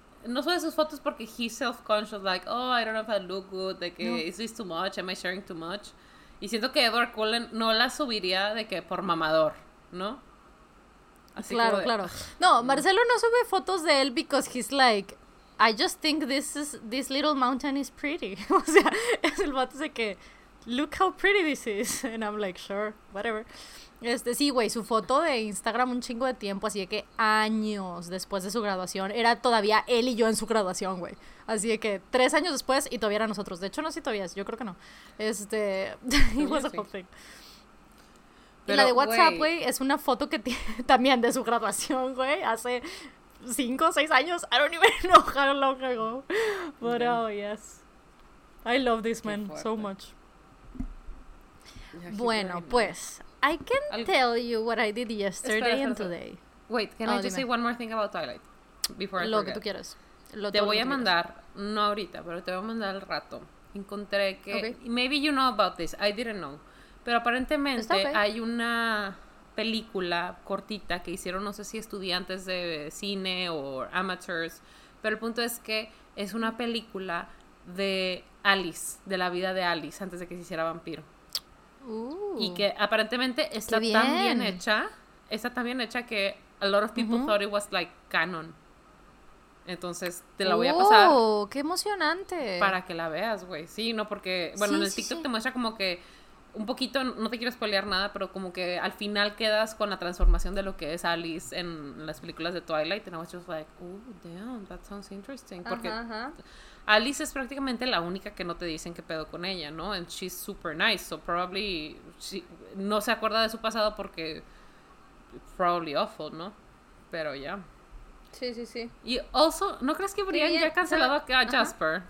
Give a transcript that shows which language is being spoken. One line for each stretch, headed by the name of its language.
Spanish: No sube sus fotos porque
English: he's self-conscious, like, oh, I don't know if I look good,
Spanish: de que, no.
English: Is this too much? Am I sharing too much?
Spanish: Y siento que Edward Cullen no la subiría de que por mamador, ¿no? Así claro, de, claro. No, Marcelo no sube fotos de él
English: because he's like, I just think this little mountain is pretty.
Spanish: O sea, es el vato de que,
English: look how pretty this is. And I'm like, sure, whatever.
Spanish: Sí, güey, su foto de Instagram un chingo de tiempo, así de que años después de su graduación, era todavía él y yo en su graduación, güey. Así de que 3 años después y todavía era nosotros. De hecho, no sé si todavía es, yo creo que no.
English: It was a whole thing.
Spanish: Pero, y la de WhatsApp, güey, es una foto que tiene también de su graduación, güey, hace 5 o 6 años.
English: I don't even know how long ago. But, okay. Oh, yes. I love this man so much.
Spanish: Bueno, pues...
English: I can tell you what I did yesterday
Spanish: espera.
English: And today. Wait, can I just say one more thing about Twilight? Before I forget.
Spanish: Lo que tú quieras. Te voy a mandar, no ahorita, pero te voy a mandar al rato. Encontré que... Okay.
English: Maybe you know about this, I didn't know.
Spanish: Pero aparentemente hay una película cortita que hicieron, no sé si estudiantes de cine o amateurs, pero el punto es que es una película de Alice, de la vida de Alice antes de que se hiciera vampiro. Y que aparentemente está tan bien hecha, está tan bien hecha que
English: a lot of people thought it was like canon.
Spanish: Entonces te la voy a pasar. ¡Oh, qué emocionante! Para que la veas, güey. Sí, no, porque bueno, sí, en el TikTok te muestra como que un poquito, no te quiero spoilear nada, pero como que al final quedas con la transformación de lo que es Alice en las películas de Twilight.
English: And I was just like, oh, damn, that sounds interesting.
Spanish: Porque Alice es prácticamente la única que no te dicen qué pedo con ella, ¿no?
English: And she's super nice, so probably she,
Spanish: no se acuerda de su pasado porque
English: probably awful,
Spanish: ¿no? Pero ya. Sí, sí, sí. Y
English: also,
Spanish: ¿no crees que Brienne ya ha cancelado a Jasper?